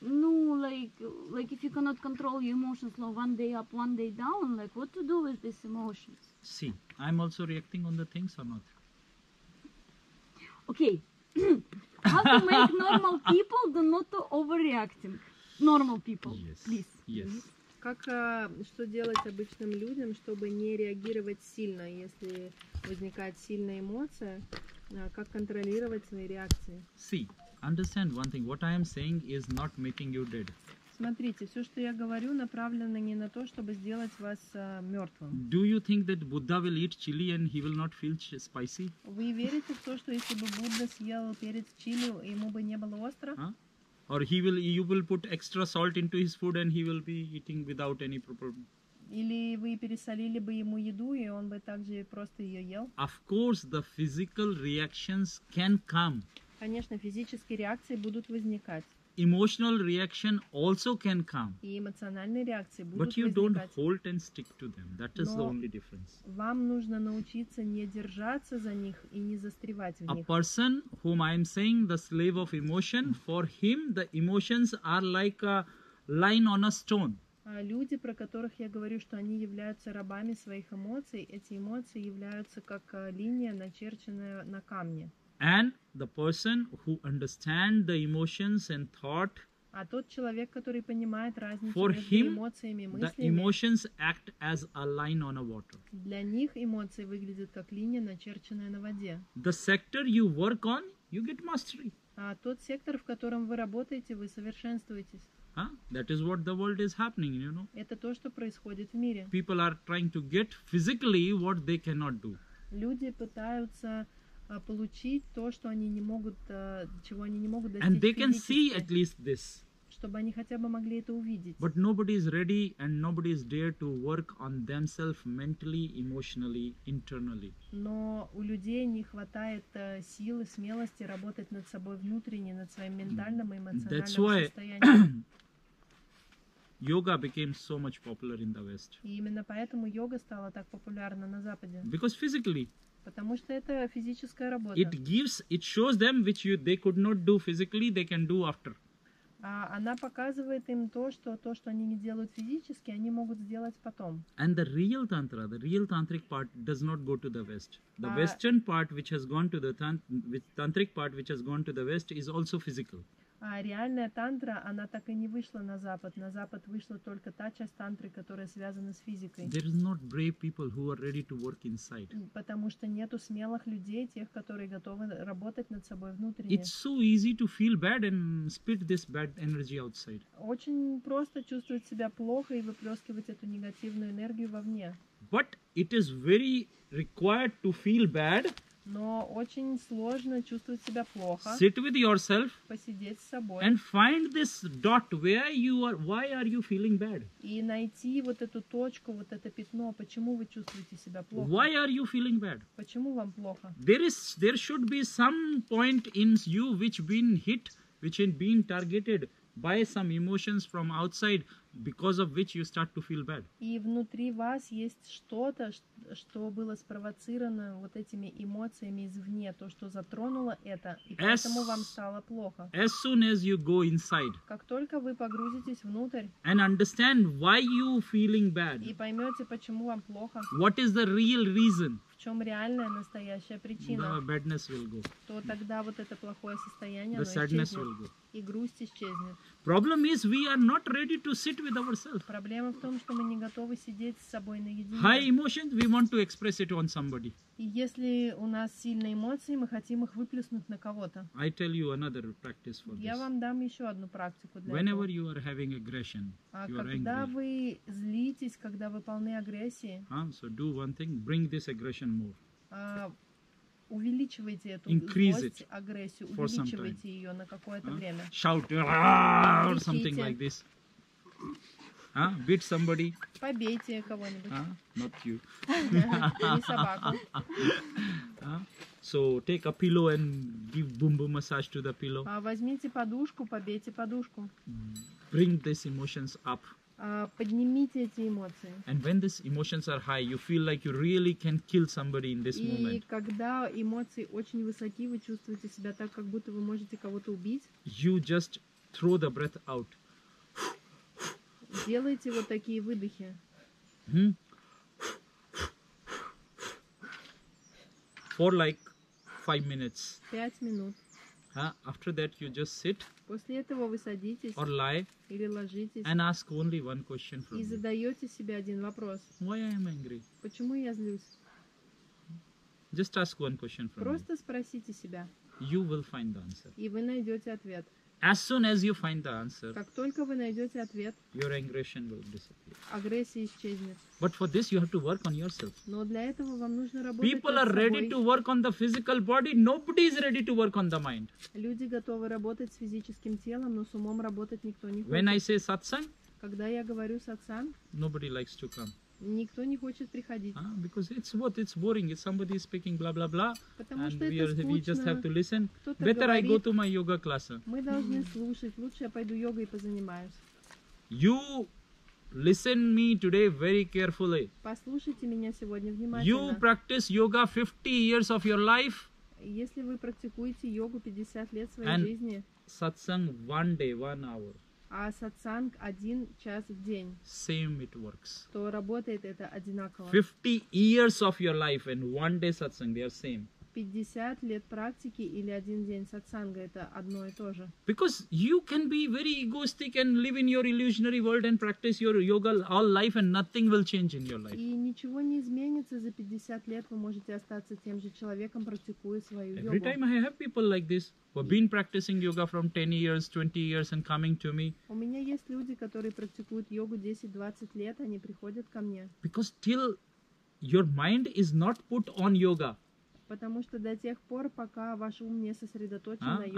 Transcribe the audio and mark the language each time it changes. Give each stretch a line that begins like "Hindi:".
English: No, like if you cannot control your emotions, like one day up, one day down, like what to do with these emotions? See, I'm also reacting on the things or not? Okay. How to make normal people do not overreacting? Normal people, yes. Please. Yes.
Russian: Как что делать обычным людям, чтобы не реагировать сильно, если возникает сильная эмоция? Как контролировать свои реакции?
English: See, understand one thing. What I am saying is not making you dead.
Russian: Смотрите, все, что я говорю, направлено не на то, чтобы сделать вас мертвым.
English: Do you think that Buddha will eat chili and he will not feel spicy?
Russian: Вы верите в то, что если бы Будда съел перец чили, ему бы не было остро? Huh?
English: Or he will, you will put extra salt into his food and he will be eating without any problem?
Russian: Или вы пересолили бы ему еду, и он бы также просто ее ел?
English: Of course, the physical reactions can come.
Russian: Конечно, физические реакции будут возникать.
English: Emotional reaction also can come.
Russian: И эмоциональные реакции будут
English: But you don't hold and stick to them. That is the only difference.
Russian: Вам нужно научиться не держаться за них и не застревать в них.
English: A person whom I am saying the slave of emotion, for him the emotions are like a line on a stone.
Russian: люди, про которых я говорю, что они являются рабами своих эмоций, эти эмоции являются как линия, начерченная на камне.
English: And the person who understands the emotions and thought,
Russian: а тот человек, который понимает разницу
English: for
Russian: между
English: him,
Russian: эмоциями и мыслями,
English: the emotions act as a line on a water.
Russian: Для них эмоции выглядят как линия, начерченная на воде.
English: The sector you work on, you get mastery.
Russian: А тот сектор, в котором вы работаете, вы совершенствуетесь.
English: That is what the world is happening, you know.
Russian: Это то, что происходит в мире.
English: People are trying to get physically what they cannot do.
Russian: Люди пытаются получить то, что они не могут, чего они не могут достичь.
English: And they can see at least this.
Russian: Чтобы они хотя бы могли это увидеть.
English: But nobody is ready and nobody is dare to work on themselves mentally, emotionally, internally.
Russian: Но у людей не хватает силы, смелости работать над собой внутренне, над своим ментальным и эмоциональным состоянием.
English: Yoga became so much popular in the West.
Russian: И именно поэтому йога стала так популярна на Западе.
English: Because physically.
Russian: Потому что это физическая работа.
English: It gives, it shows them which you, they could not do physically, they can do after.
Russian: Она показывает им то, что они не делают физически, они могут сделать потом.
English: And the real tantra, the real tantric part does not go to the West. The western part which has gone to the tantric part which has gone to the West is also physical.
Russian: А реальная тантра, она так и не вышла на Запад. На Запад вышла только та часть тантры, которая связана с физикой.
English: There is not brave people who are ready to work inside.
Russian: Потому что нету смелых людей, тех, которые готовы работать над собой внутренне.
English: It's so easy to feel bad and spit this bad energy outside.
Russian: Очень просто чувствовать себя плохо и выплескивать эту негативную энергию вовне.
English: But it is very required to feel bad.
Russian: Но очень сложно чувствовать себя плохо.
English: Sit with yourself.
Russian: Посидеть с собой.
English: And find this dot where you are, why are you feeling bad?
Russian: И найти вот эту точку, вот это пятно, почему вы чувствуете себя плохо?
English: Why are you feeling bad?
Russian: Почему вам плохо?
English: There should be some point in you which been hit, which had been targeted by some emotions from outside, because of which you start to feel bad.
Russian: И внутри вас есть что-то, что было спровоцировано вот этими эмоциями извне, то, что затронуло это, и поэтому вам стало плохо.
English: As soon as you go inside.
Russian: Как только вы погрузитесь внутрь.
English: And understand why you feeling bad.
Russian: И поймете, почему вам плохо.
English: What is the real reason?
Russian: В чем реальная настоящая причина?
English: The badness will go.
Russian: То тогда вот это плохое состояние.
English: The sadness will go.
Russian: И грусть исчезнет.
English: Problem is we are not ready to sit with ourselves.
Russian: Проблема в том, что мы не готовы сидеть с собой наедине.
English: High emotions, we want to express it on somebody.
Russian: И если у нас сильные эмоции, мы хотим их выплеснуть на кого-то.
English: I tell you another practice for this.
Russian: Я вам дам еще одну практику для
English: Whenever
Russian: этого.
English: You are having aggression, you are
Russian: когда
English: angry.
Russian: Вы злитесь, когда вы полны агрессии.
English: So do one thing, bring this aggression more.
Russian: Увеличивайте эту
English: Increase
Russian: злость, агрессию, увеличивайте ее на какое-то время.
English: Shout or something like this. Beat somebody.
Russian: Побейте кого-нибудь.
English: Not you.
Russian: Не собаку.
English: So take a pillow and give boom-boom massage to the pillow.
Russian: Возьмите подушку, побейте подушку.
English: Bring these emotions up.
Russian: Поднимите эти эмоции.
English: And when these emotions are high, you feel like you really can kill somebody in this
Russian: и
English: moment.
Russian: И когда эмоции очень высоки, вы чувствуете себя так, как будто вы можете кого-то убить.
English: You just throw the breath out.
Russian: Делайте вот такие выдохи.
English: For like 5 minutes.
Russian: 5 минут.
English: After that you just sit.
Russian: После этого вы садитесь.
English: Or lie.
Russian: Или ложитесь.
English: And ask only one question from
Russian: и задаете себе один вопрос.
English: Why I am angry?
Russian: Почему я злюсь?
English: Just ask one question from
Russian: Просто
English: me.
Russian: Спросите себя.
English: You will find the answer.
Russian: И вы найдете ответ.
English: As soon as you find the answer.
Russian: Как только вы найдете ответ.
English: Your aggression will disappear.
Russian: Агрессия исчезнет.
English: But for this you have to work on yourself.
Russian: Но для этого вам нужно работать.
English: People are ready to work on the physical body, nobody is ready to work on the mind.
Russian: Люди готовы работать с физическим телом, но с умом работать никто не хочет.
English: When I say satsang,
Russian: когда я говорю сатсанг,
English: nobody likes to come.
Russian: Никто не хочет приходить.
English: Because it's what it's boring. It's somebody is speaking blah blah blah.
Russian: Потому
English: and
Russian: что это скучно.
English: We just have to listen.
Russian: Кто-то
English: Better
Russian: говорит,
English: I go to my yoga class.
Russian: Мы должны слушать. Лучше я пойду йогой позанимаюсь.
English: You listen me today very carefully.
Russian: Послушайте меня сегодня внимательно.
English: You practice yoga 50 years of your life.
Russian: Если вы практикуете йогу 50 лет своей
English: and
Russian: жизни.
English: Satsang one day, one hour.
Russian: А сатсанг один час в день.
English: Same it works.
Russian: То работает это одинаково.
English: 50 years of your life and one day satsang, they are same.
Russian: 50 лет практики или один день сатсанга, это одно и то же.
English: Because you can be very egoistic and live in your illusionary world and practice your yoga all life and nothing will change in your life.
Russian: И ничего не изменится за 50 лет, вы можете остаться тем же человеком, практикуя свою йогу.
English: Every time I have people like this, who have been practicing yoga from 10 years, 20 years and coming to me.
Russian: У меня есть люди, которые практикуют йогу 10-20 лет, они приходят ко мне.
English: Because till your mind is not put on yoga.
Russian: Потому что до тех пор, пока ваш ум не сосредоточен на йоге,